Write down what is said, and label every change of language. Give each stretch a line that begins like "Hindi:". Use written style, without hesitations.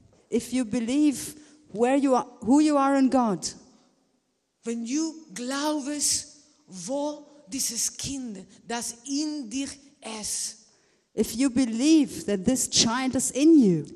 English: If you believe where you are, who you are in God.
German: Wenn du glaubst, wo dieses Kind, das in dir ist.
English: If you believe that this child is in you.